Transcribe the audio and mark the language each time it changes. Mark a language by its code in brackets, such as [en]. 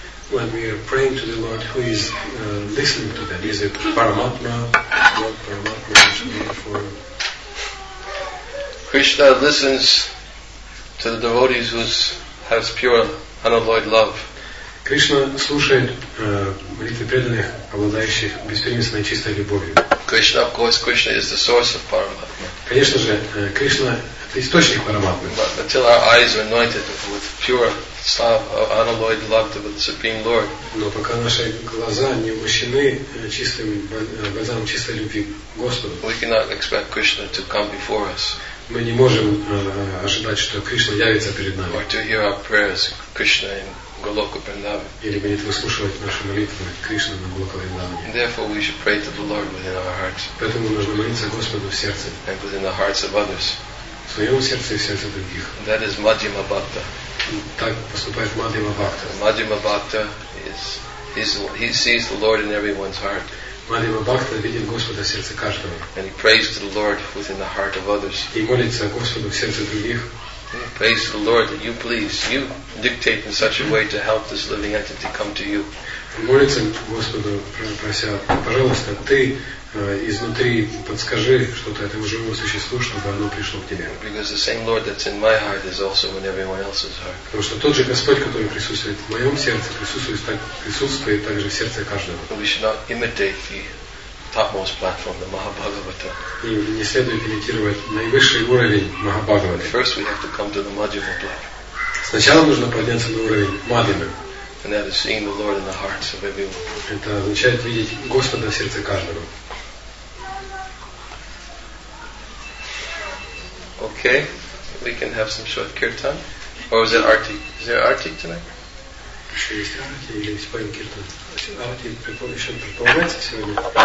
[en] When we are praying to the Lord, who is listening to that? Is it Paramatma? What Paramatma is meant for? Krishna listens to the devotees who has pure unalloyed love. [ru] Krishna слушает молитвы преданных, обладающих беспримесной чистой любовью. [en] Krishna, of course, Krishna is the source of Paramatma. [ru] Конечно же, Krishna это источник Параматмы. [en] Until our eyes are anointed with pure unalloyed love to the Supreme Lord. [ru] Но пока наши глаза не умощены чистым глазом чистой любви к Господу. [en] We cannot expect Krishna to come before us. [ru] Мы не можем ожидать, что Кришна явится перед нами. [en] Or to hear our prayers, Krishna in Goloka Vrindavan. [ru] Или будет выслушивать наши молитвы Кришна на Голока Вриндаване. [en] Therefore, we should pray to the Lord within our hearts. [ru] Поэтому нужно молиться Господу в сердце. [en] And within the hearts of others. [ru] В своем сердце и в сердце других. [en] That is Madhyama Bhakta. [ru] Так поступает Madhyama Bhakta. [en] Madhyama Bhakta he sees the Lord in everyone's heart. [ru] Мадхима Бхакта видит Господа в сердце каждого. [en] And he prays to the Lord within the heart of others. [ru] И молится Господу в сердце других. [en] Prays to the Lord that you please, you dictate in such a way to help this living entity come to you. [ru] Молится Господу, прося, пожалуйста, ты изнутри подскажи что-то этому живому существу, чтобы оно пришло к тебе. [en] Because the same Lord that's in my heart is also in everyone else's heart. [ru] Потому что тот же Господь, который присутствует в моем сердце, присутствует также в сердце каждого. [en] We should not imitate the topmost platform, the Mahabhagavata. [ru] И не следует имитировать наивысший уровень Махабхагаваты. [en] First we have to come to the Madhyama platform. [ru] Сначала нужно подняться на уровень Мадхимы. [en] And that is seeing the Lord in the hearts of everyone. [ru] Это означает видеть Господа в сердце каждого. [en] Okay, we can have some short kirtan. Or is there arti? Is there arti tonight? [ru] Еще есть арти или исполнен киртан. Арти еще предполагается сегодня?